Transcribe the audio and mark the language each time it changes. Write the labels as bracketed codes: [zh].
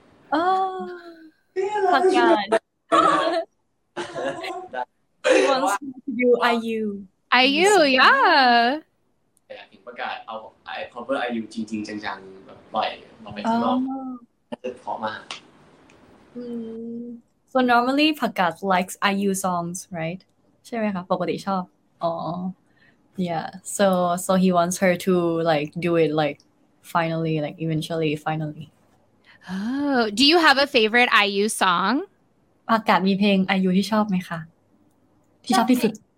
[en] โอ้พักงาน He wants to do IU yeah [th] อยากประกาศเอาไอคอเวอร์ไอยูจริงๆจังๆแบบปล่อยมาไปข้างนอกจะพร้อมมาก [en] So normally พักงาน likes IU songs right [th] ใช่ไหมคะปกติชอบอ๋อ [en] Yeah, so he wants her to like do it like finally, like eventually, finally. Oh, do you have a favorite IU song? [th] อากาศมีเพลง IU ที่ชอบไหมคะที่ชอบที่สุด